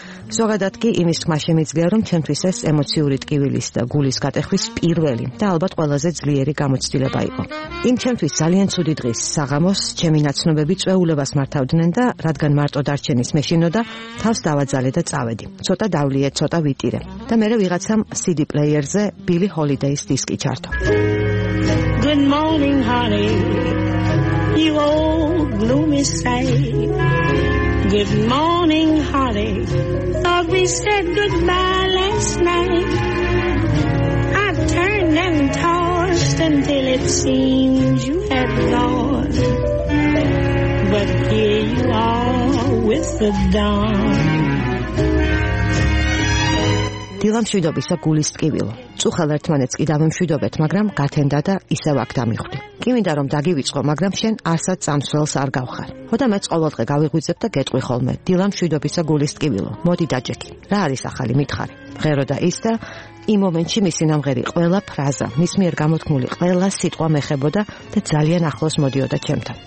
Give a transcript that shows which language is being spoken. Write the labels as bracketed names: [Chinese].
[Georgian] ზოგადად კი იმის თქმა შემიძლია, რომ ჩემთვის ეს ემოციური ტკივილის და გულის გატეხვის პირველი და ალბათ ყველაზე ძლიერი გამოცდილება იყო. იმ ჩემთვის ძალიან ცუდი დღის საღამოს ჩემი ნაცნობები წვეულებას მართავდნენ და რადგან მარტო დარჩენის მეშინოდა, თავს დავაძალე და წავედი. ცოტა დავლიე, ცოტა ვიტირე. და მე ვიღაცამ CD პლეიერზე ბილი ჰოლიდეის დისკი ჩართო. [English] Good morning, honey, you old gloomy sight. Good morning, honey, thought we said goodbye last night. I turned and tossed until it seemed you had gone. But here you are with the dawn. [Georgian] დილამ შვიდობისა გულის ტკივილო. წუხალ ერთმანეთს კი დამემშვიდობეთ, მაგრამ გათენდა და ისევ აქ დამიხვდი. კიმინდა რომ დაგივიწყო, მაგრამ შენ ასაც სამსველს არ გავხარ. ხოდა მეც ყოველდღე გავიღვიძებ და გეტყვი ხოლმე. დილა მშვიდობისა გულის ტკივილო. მოდი დაჯექი. რა არის ახალი მითხარი? მღეროდა ის და იმ მომენტში მისი ნამღერი ყველა ფრაზა, მის მიერ გამოთქმული ყველა სიტყვა მეხებოდა და ძალიან ახლოს მოდიოდა ჩემთან.